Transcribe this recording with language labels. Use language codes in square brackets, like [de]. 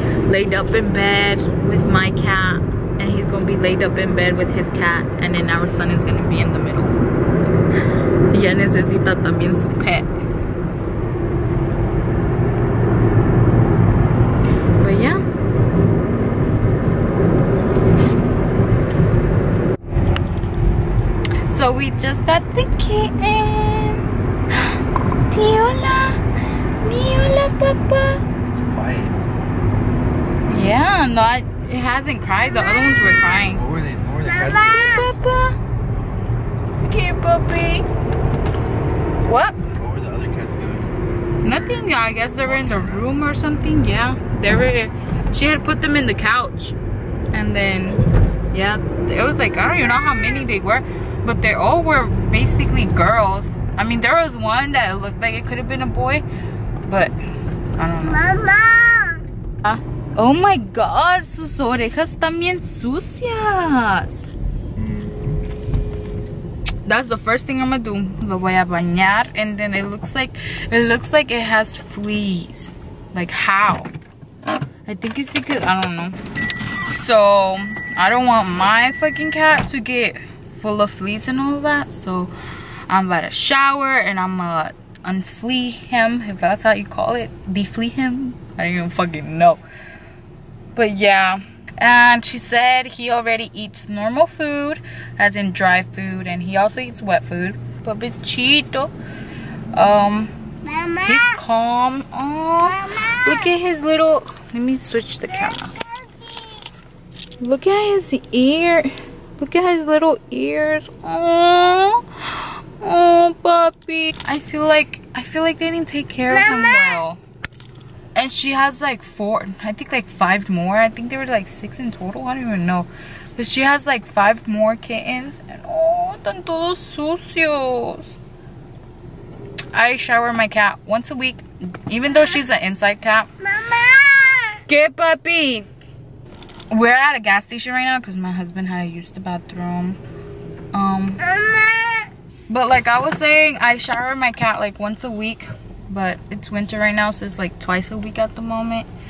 [en] Laid up in bed with my cat, and he's gonna be laid up in bed with his cat, and then our son is gonna be in the middle. [es] Ya necesita también su pet. [en] But yeah. So we just got the kitten. Diola, Diola, papa. It's quiet. Yeah, no, it hasn't cried. The other ones were crying. What were they Papa. Okay, puppy. What? What were the other cats doing? Nothing. I guess they were in the room or something. Yeah, they were. She had put them in the couch. And then, yeah, it was like, I don't even know how many they were. But they all were basically girls. I mean, there was one that looked like it could have been a boy. But, I don't know. Mama. [es] Oh my god, sus orejas también sucias. [en] That's the first thing I'm gonna do. [es] Lo voy a bañar, [en] and then it looks like it has fleas. Like, how? I think it's because, I don't know. So I don't want my fucking cat to get full of fleas and all that. So I'm about to shower and I'm gonna unflee him, if that's how you call it. Deflee him? I don't even fucking know. But yeah. And she said he already eats normal food, as in dry food, and he also eats wet food. But Bichito, Mama. He's calm. Oh, look at his little, let me switch the camera. Look at his ear. Look at his little ears. Oh, oh, puppy. I feel like they didn't take care of him well. And she has like four, I think like five more. I think there were like six in total. I don't even know. But she has like five more kittens. [es] And oh, están todos sucios. [en] I shower my cat once a week, even though she's an inside cat. Mama! Get puppy! We're at a gas station right now because my husband had to use the bathroom. Mama! But like I was saying, I shower my cat like once a week. But it's winter right now, so it's like twice a week at the moment.